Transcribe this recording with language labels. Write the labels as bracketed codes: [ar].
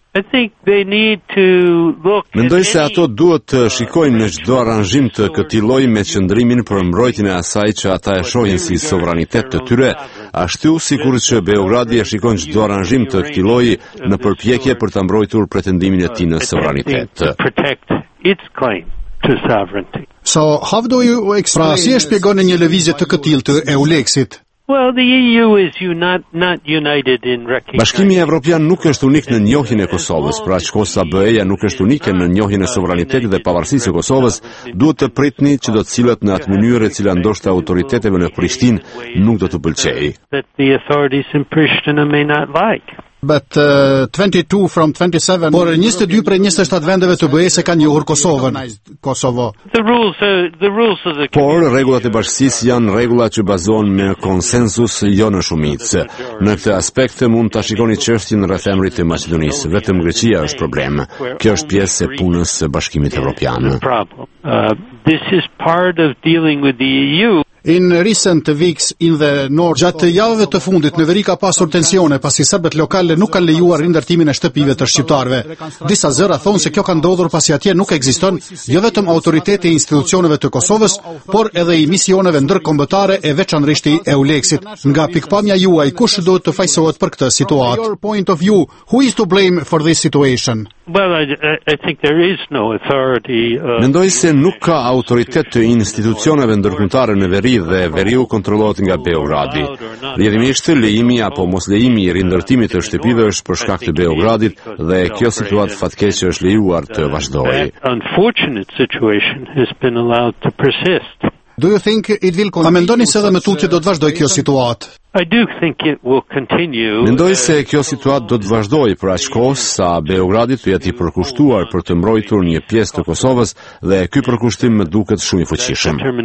[sq] Mendoj se ato duhet të shikojnë në çdo aranjim të këtij lloji me qëndrimin për mbrojtjen e asaj që ata e shohin si sovranitet të tyre, ashtu sikur që Beogradi e shikon çdo aranjim të këtij lloji në përpjekje për ta mbrojtur pretendimin e tij në sovranitet. [en] its claim to sovereignty. So how do you explain? [sq] Pra, si e shpjegoni një lëvizje të këtill të EULEX-it? [en] Well, the EU is not united in recognition. [sq] Bashkimi Evropian nuk është unik në njohjen e Kosovës, pra shkosa BE-ja nuk është unike në njohjen e suverenitetit dhe pavarësisë së Kosovës, duhet të pritni që do të cilët në atë mënyrë e cila ndoshta autoriteteve në Prishtinë nuk do të pëlqejë. [en] The authorities in Pristina may not like. But 22 from 27 [sq] por 22 prej 27 vendeve të BE-së kanë njohur Kosovën. [en] Kosovo. The rules of the [sq] por rregullat e bashkisë janë rregulla që bazohen me konsensus, jo në shumicë. Në këtë aspekt mund ta shikoni çështjen rreth emrit të Maqedonisë. Vetëm Greqia është problem. Kjo është pjesë e punës së Bashkimit Evropian. [en] This is part of dealing with the EU. In recent weeks in the north, [sq] gjatë javëve të fundit, në veri ka pasur tensione, pasi serbet lokale nuk kanë lejuar rindërtimin e shtëpive të shqiptarve. Disa zëra thonë se kjo ka ndodhur pasi atje nuk ekziston jo vetëm autoriteti e institucioneve të Kosovës, por edhe i misioneve ndërkombëtare e veçanërisht EULEX-it. Nga pikpamja juaj, kush duhet të fajsohet për këtë situatë? [en] From your point of view, who is to blame for this situation? Well, I think there is no authority. [sq] Mendoj se nuk ka autoritet të institucioneve ndërkombëtare në veri dhe veriu kontrollohet nga Beogradi. Rrjedhimisht lejimi apo mos lejimi i rindërtimit të shtëpive është për shkak të Beogradit dhe kjo situatë fatkeqe është lejuar të vazhdojë. [en] Unfortunate situation has been allowed to persist. Do you think it will continue? [sq] A mendoni se edhe më tutje do të vazhdojë kjo situatë? [en] I do think it will continue. [sq] Mendoj se kjo situatë do të vazhdojë për aq kohë sa Beogradi të jetë i përkushtuar për të mbrojtur një pjesë të Kosovës dhe ky përkushtim më duket shumë i fuqishëm.